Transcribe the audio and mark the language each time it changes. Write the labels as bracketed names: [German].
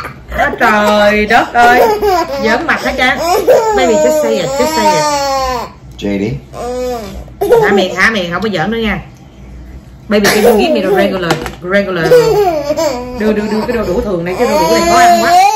[Vietnamese] À, trời đất ơi. Giỡn mặt hả cha? [English] Baby just say it, just say it. [Vietnamese] JD. Thả miệng, không có giỡn nữa nha. [English] Baby, can you give me the regular, regular. [Vietnamese] Đưa, đưa, đưa cái đồ đũa thường này, cái đồ đũa này khó ăn quá.